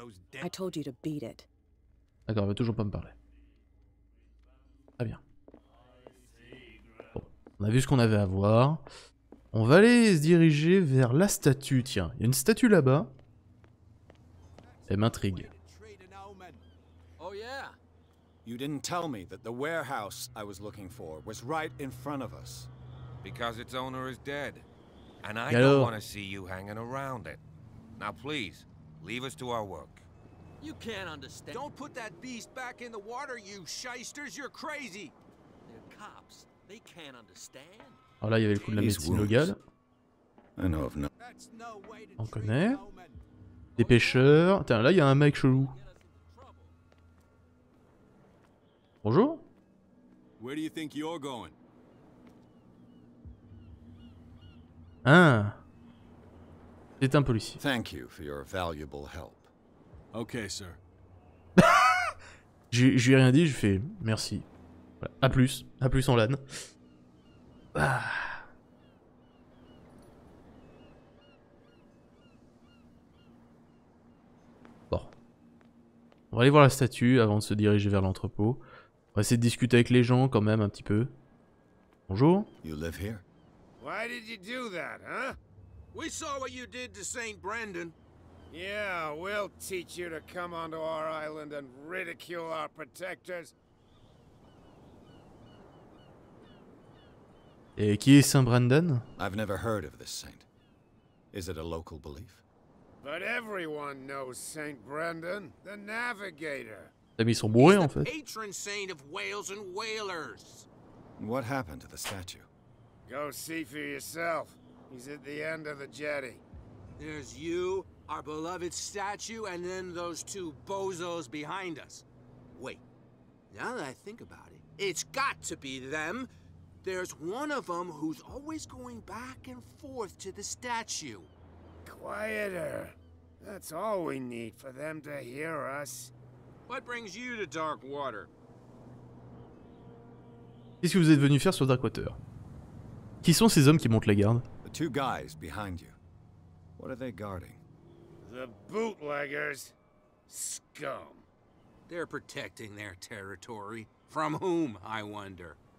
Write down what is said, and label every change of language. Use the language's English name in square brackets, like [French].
[French] D'accord, il va toujours pas me parler. Très bien. On a vu ce qu'on avait à voir. On va aller se diriger vers la statue. Tiens, il y a une statue là-bas. Elle m'intrigue. [English] Oh yeah. You didn't tell me that the warehouse I was looking for was right in front of us. Because its owner is dead. And I don't want to see you hanging around it. Now please, leave us to our work. You can't understand. Don't put that beast back in the water, you shysters, you're crazy. They're cops. They can't understand. [French] Alors là, il y avait le coup de la médecine légale. On connaît. Des pêcheurs. Tiens, là, il y a un mec chelou. [English] Bonjour. Where do you think you're going? [French] Ah. C'est un policier. [English] Thank you for your valuable help. Okay, sir. [French] Je lui ai rien dit, je fais merci. Voilà. A plus. A plus en LAN. Ah. Bon. On va aller voir la statue avant de se diriger vers l'entrepôt. On va essayer de discuter avec les gens quand même un petit peu. [English] Bonjour. You live here? Why did you do that, huh? We saw what you did to Saint Brendan. Yeah, we'll teach you to come onto our island and ridicule our protectors. [French] Et qui est Saint Brendan? [English] I've never heard of this saint. Is it a local belief? But everyone knows Saint Brendan, the navigator. [French] Ils sont bourrés, en fait. [English] Patron saint of whales and whalers. What happened to the statue? Go see for yourself. He's at the end of the jetty. There's you, our beloved statue, and then those two bozos behind us. Wait. Now that I think about it, it's got to be them. There's one of them who's always going back and forth to the statue. Quieter. That's all we need for them to hear us. What brings you to Darkwater? [French] Qu'est-ce que vous êtes venu faire sur Darkwater? Qui sont ces hommes qui montent la garde? [English] The two guys behind you. What are they guarding? The bootleggers. Scum. They're protecting their territory. From whom, I wonder?